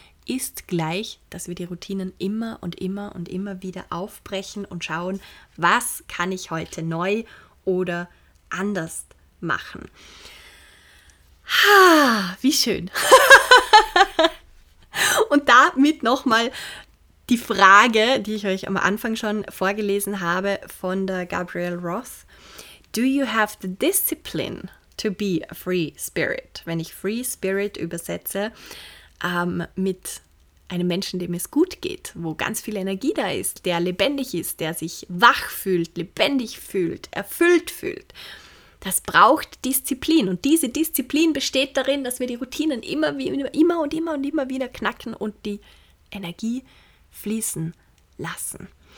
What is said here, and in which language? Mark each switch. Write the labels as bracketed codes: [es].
[de] Ist gleich, dass wir die Routinen immer und immer und immer wieder aufbrechen und schauen, was kann ich heute neu oder anders machen. Ha, wie schön. Und damit nochmal die Frage, die ich euch am Anfang schon vorgelesen habe von der Gabrielle Roth. [en] Do you have the discipline to be a free spirit? [de] Wenn ich [en] free spirit [de] übersetze mit einem Menschen, dem es gut geht, wo ganz viel Energie da ist, der lebendig ist, der sich wach fühlt, lebendig fühlt, erfüllt fühlt. Das braucht Disziplin. Und diese Disziplin besteht darin, dass wir die Routinen immer wieder knacken und die Energie fließen lassen.